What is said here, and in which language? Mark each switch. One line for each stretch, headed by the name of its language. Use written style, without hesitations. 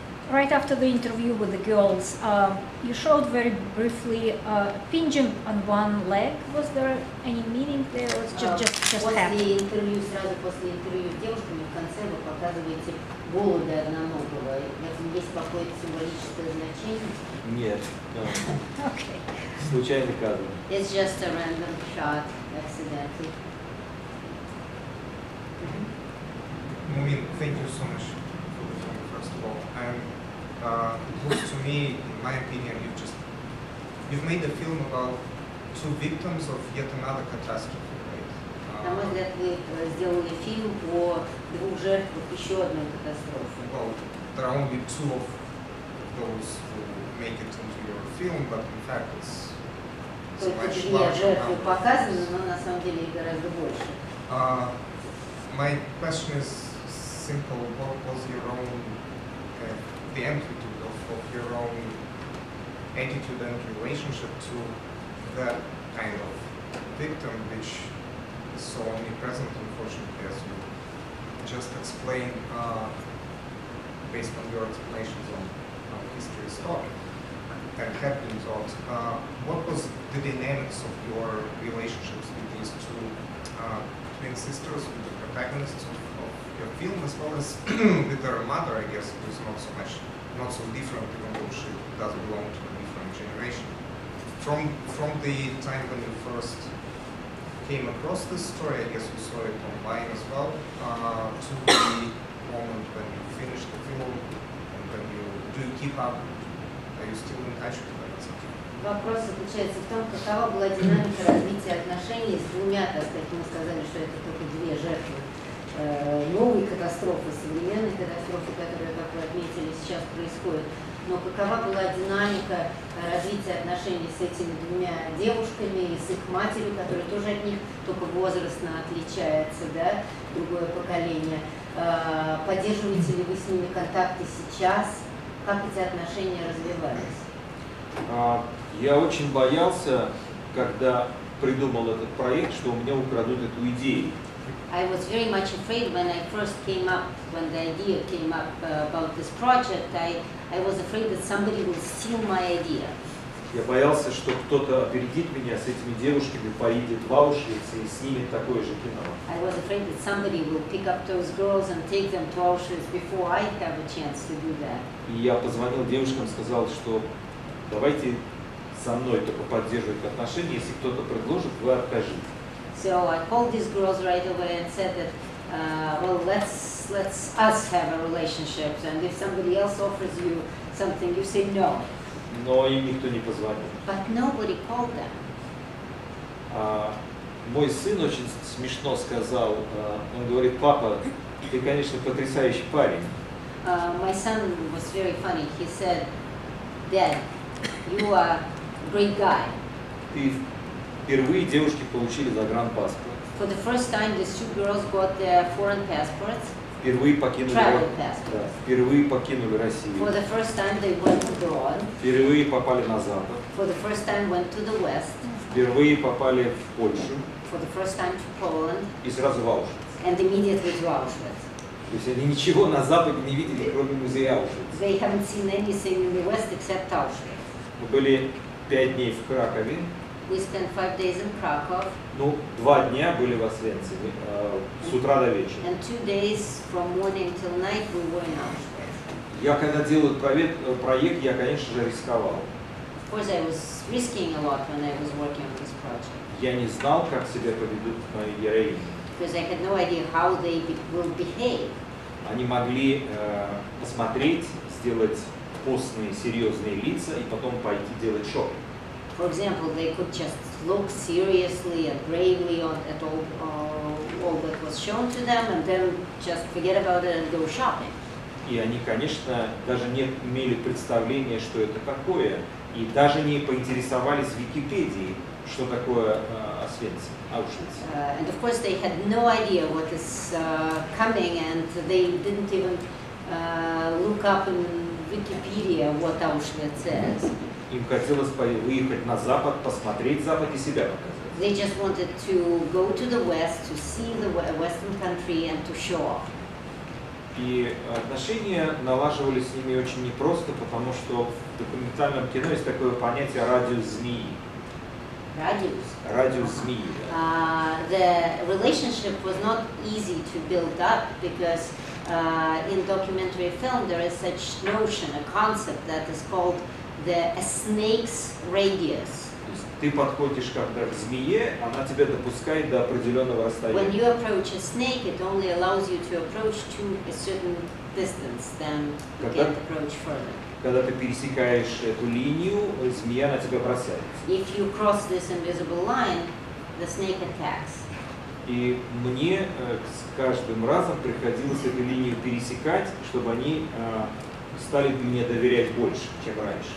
English: Right after the interview with the girls, you showed very briefly a pinion on one leg. Was there any meaning there, or just happened?
Russian: После интервью, сразу после интервью с девушками, в конце вы показываете голубя одноногого. Это есть какое-то символическое значение? Нет.
English: Okay.
Russian: Случайный кадр.
English: It's just a random shot, accidentally. Mumin, thank you so much. First of all, was to me, in my opinion, you've made a film about two victims of yet another catastrophe.
Russian: На мой взгляд, вы сделали фильм по двух жертвам еще одной катастрофы.
English: Well, there are only two of those who make it into your film, but in fact it's so much larger.
Russian: Жертвы показаны, но на самом деле их гораздо больше.
English: My question is simple. What was your own, the amplitude of your own attitude and relationship to that kind of victim, which so omnipresent, unfortunately, as you just explained, based on your explanations on history's thought and have been taught. What was the dynamics of your relationships with these two twin sisters, with the protagonists of your film, as well as with their mother, I guess, who's not so different, even though she does belong to a different generation. From the time when you first came across this story, I guess you saw it online as well, to the moment when you finished the film, and when you do you keep up, are you still in touch with them or something?
Russian: Вопрос заключается в том, какова была динамика развития отношений с двумя, так сказать, мы сказали, что это только две жертвы новой катастрофы, современной катастрофы, которая, как вы отметили, сейчас происходит. Но какова была динамика развития отношений с этими двумя девушками и с их матерью, которая тоже от них только возрастно отличается, да, другое поколение. Поддерживаете ли вы с ними контакты сейчас? Как эти отношения развивались? Я очень боялся, когда придумал этот проект, что у меня украдут эту идею.
English: I was very much afraid when I first came up, when the idea came up about this project, I was afraid that somebody would steal my idea.
Russian: Я боялся, что кто-то опередит меня с этими девушками, поедет в Auschwitz и снимет такое же кино.
English: I was afraid that somebody will pick up those girls and take them to Auschwitz before I have a chance to do that.
Russian: И я позвонил девушкам, сказал, что давайте со мной только поддерживать отношения, если кто-то предложит, вы откажите.
English: So I called these girls right away and said that, let's us have a relationship, and if somebody else offers you something, you say no.
Russian: Но им никто не позвонил.
English: But nobody called them.
Russian: Мой сын очень смешно сказал. Он говорит, папа, ты конечно потрясающий парень.
English: My son was very funny. He said, Dad, you are a great guy.
Russian: Впервые девушки получили загранпаспорт.
English: For the first time, these two girls got their foreign passports.
Russian: Впервые покинули
English: travel passports.
Russian: Да, впервые покинули Россию.
English: For the first time, they went abroad.
Russian: Впервые попали на Запад.
English: For the first time, went to the West.
Russian: Впервые попали в Польшу.
English: For the first time, to Poland.
Russian: И сразу в Auschwitz.
English: And immediately to Auschwitz.
Russian: То есть они ничего на Западе не видели, кроме музея Auschwitz.
English: They haven't seen anything in the West except Auschwitz.
Russian: Мы были 5 дней в Кракове.
English: We spent 5 days in Krakow.
Russian: Ну, 2 дня были в Освенциме, с утра до вечера.
English: And 2 days from morning till night we were in Auschwitz.
Russian: Я когда делал проект, я, конечно же, рисковал.
English: Of course, I was risking a lot when I was working on this project.
Russian: Я не знал, как себя поведут мои героини.
English: Because I had no idea how they will behave.
Russian: Они могли посмотреть, сделать постные, серьезные лица и потом пойти делать шоу.
English: For example, they could just look seriously and gravely at all that was shown to them, and then just forget about it and go shopping.
Russian: И они, конечно, даже не имели представления, что это такое, и даже не поинтересовались в Википедии, что такое Auschwitz.
English: And of course, they had no idea what is coming, and they didn't even look up in Wikipedia what Auschwitz is.
Russian: Им хотелось выехать на Запад, посмотреть Запад и себя показать.
English: They just wanted to go to the West, to see the Western country and to show off.
Russian: И отношения налаживались с ними очень непросто, потому что в документальном кино есть такое понятие радиус змеи. Радиус? Радиус змеи, да.
English: The relationship was not easy to build up, because in documentary film there is such notion, a concept that is called the snake's radius.
Russian: Ты подходишь когда к змее, она тебя допускает до определенного расстояния.
English: When you approach a snake, it only allows you to approach to a certain distance, then you can approach further.
Russian: Когда ты пересекаешь эту линию, змея на тебя бросается.
English: If you cross this invisible line, the snake attacks.
Russian: И мне с каждым разом приходилось эту линию пересекать, чтобы они стали мне доверять больше, чем раньше.